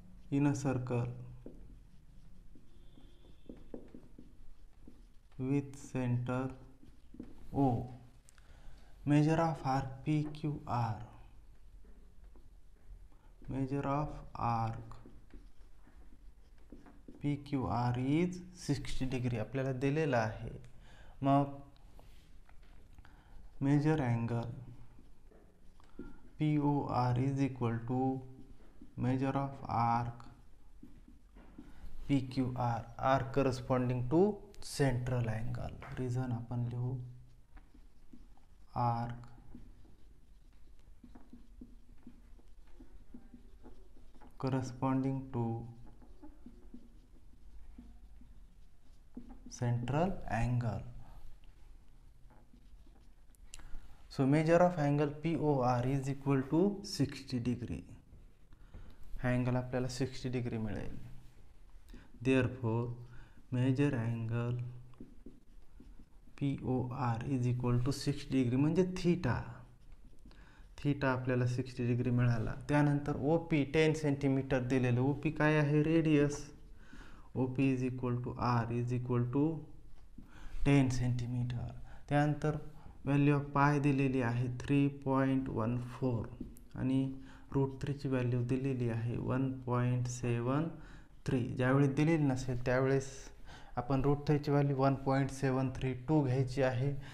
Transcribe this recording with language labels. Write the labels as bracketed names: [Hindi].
[English] in a circle with centre O, measure of R P Q R, measure of arc P Q R is 60 degree [Marathi] आपल्याला दिलेला आहे. [English] मग measure angle P O R is equal to measure of arc P Q R, arc corresponding to central angle. Reason [Marathi] आपण लिहू [English] Arc corresponding to central angle. So measure of angle POR is equal to 60 degree. [Marathi] Angle आपल्याला 60 degree मिळेल. [English] Therefore measure angle POR is equal to 60 degree [Marathi] म्हणजे theta. Theta आपल्याला 60 degree मिळाला. त्यानंतर OP 10 cm दिलेले. OP काय आहे? Radius. [English] OP is equal to R is equal to 10 cm. [Marathi] त्यानंतर [English] value of pi [Marathi] दिलेली आहे 3.14 आणि रूट 3 ची वैल्यू दिलेली आहे 1.73. ज्यावेळी दिलेली नसेल त्यावेळेस आपण रूट 3 ची वैल्यू 1.732 घ्यायची आहे.